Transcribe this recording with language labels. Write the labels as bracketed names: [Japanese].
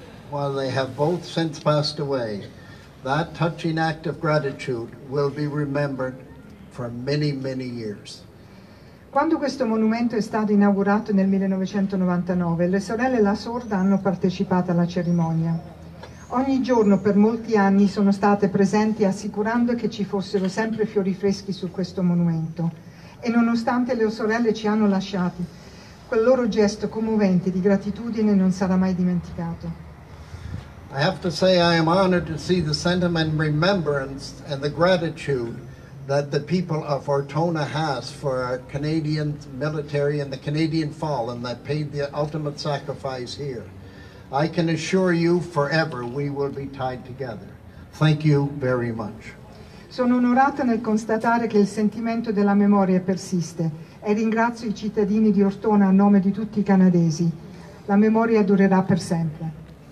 [English] While they have both since passed away, that touching act of gratitude will be remembered for many, many years. [Italian] Quando questo monumento è stato inaugurato nel 1999, le sorelle La Sorda hanno partecipato alla cerimonia. Ogni giorno per molti anni sono state presenti assicurando che ci fossero sempre fiori freschi su questo monumento. E nonostante le sorelle ci hanno lasciati, quel loro gesto commovente di gratitudine non sarà mai dimenticato. [English] I have to say I am honored to see the sentiment, remembrance and the gratitude that the people of Ortona has for our Canadian military and the Canadian fallen that paid the ultimate sacrifice here. I can assure you forever we will be tied together. Thank you very much. [Italian] Sono onorata nel constatare che il sentimento della memoria persiste e ringrazio i cittadini di Ortona a nome di tutti i canadesi. La memoria durerà per sempre.